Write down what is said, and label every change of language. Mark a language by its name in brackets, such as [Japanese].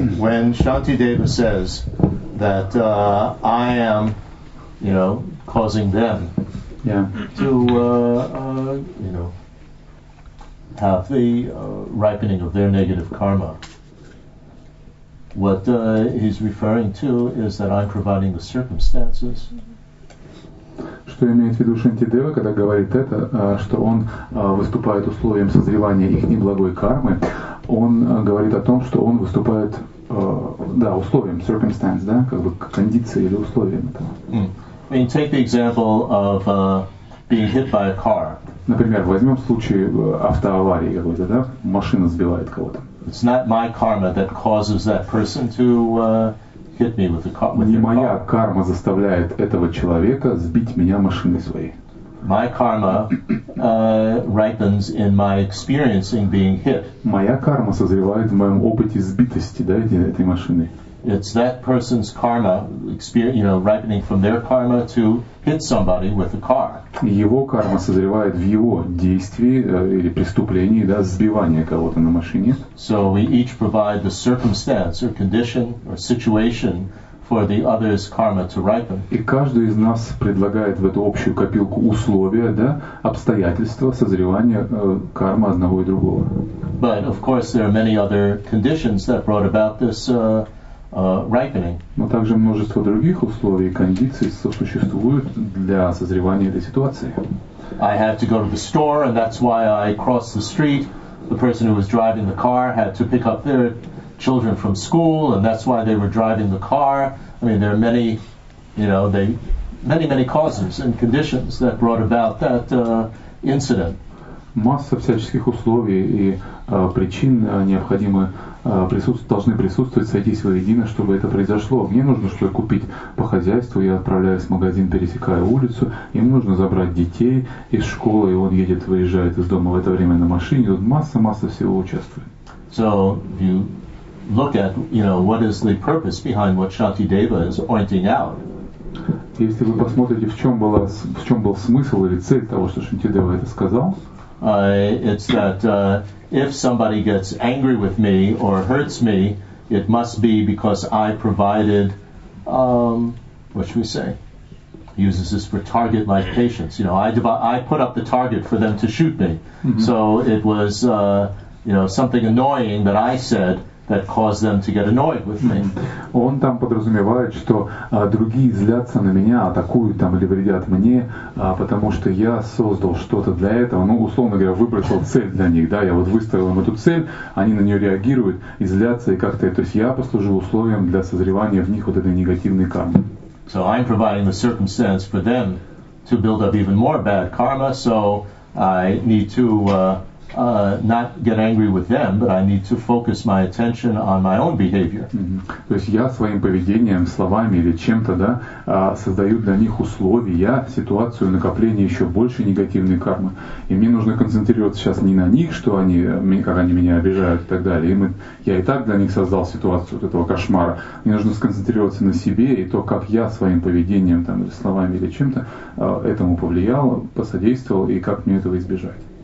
[English] When Shantideva says that I am, you know, causing them, yeah, to you know, have the ripening of their negative karma. What he's referring to is that I'm providing the circumstances. [Russian] Что имеет в виду Шантидева, когда говорит это, что он выступает условием созревания их неблагой кармы, он говорит о том, что он выступает, да, условием, circumstance, да, как бы кондицией или условием этого. [English] I mean, take the example of being hit by a car. [Russian] Например, возьмем случай автоаварии какой-то, да? Машина сбивает кого-то. [English] It's not my karma that causes that person to hit me with a car. [Russian] Не моя карма заставляет этого человека сбить меня машиной своей. [English] My karma ripens in my experiencing being hit. [Russian] Моя карма созревает в моем опыте сбитости, да, этой машины. [English] It's that person's karma, you know, ripening from their karma to hit somebody with a car. [Russian] Его карма созревает в его действии или преступлении, да, сбивания кого-то на машине. [English] So we each provide the circumstance or condition or situation for the other's karma to ripen. [Russian] И каждый из нас предлагает в эту общую копилку условия, да, обстоятельства созревания кармы одного и другого. [English] But of course there are many other conditions that brought about this ripening. [Russian] Но также множество других условий и кондиций сосуществуют для созревания этой ситуации. [English] I have to go to the store, and that's why I crossed the street. The person who was driving the car had to pick up their children from school, and that's why they were driving the car. I mean, there are many, you know, many causes and conditions that brought about that incident. [Russian] Масса всяческих условий и причин необходимы должны присутствовать, сойтись воедино, чтобы это произошло. Мне нужно что-то купить по хозяйству, я отправляюсь в магазин, пересекаю улицу, ему нужно забрать детей из школы, и он едет, выезжает из дома в это время на машине, тут масса всего участвует. [English] So, if you look at, you know, what is the purpose behind what Shantideva is pointing out. [Russian] Если вы посмотрите, в чем был смысл или цель того, что Шантидева это сказал, [English] It's that if somebody gets angry with me or hurts me, it must be because I provided, what should we say? He uses this for target-like patients. You know, I put up the target for them to shoot me. Mm-hmm. So it was, you know, something annoying that I said that caused them to get annoyed with me. [Russian] Он там подразумевает, что другие злятся на меня, атакуют там или вредят мне, потому что я создал что-то для этого. Ну, условно говоря, выбросил цель для них, да, я вот выставил им эту цель, они на нее реагируют и злятся, и как-то, то есть я послужил условием для созревания в них вот этой негативной кармы. [English] So I'm providing the circumstance for them to build up even more bad karma, so I need to not get angry with them, but I need to focus my attention on my own behavior. Mm-hmm. [Russian] То есть я своим поведением, словами или чем-то, да, создаю для них условия, ситуацию накопления еще больше негативной кармы. И мне нужно концентрироваться сейчас не на них, что они, как они меня обижают и так далее. Я и так для них создал ситуацию вот этого кошмара. Мне нужно сконцентрироваться на себе и то, как я своим поведением, там, или словами или чем-то этому повлиял, посодействовал и как мне этого избежать.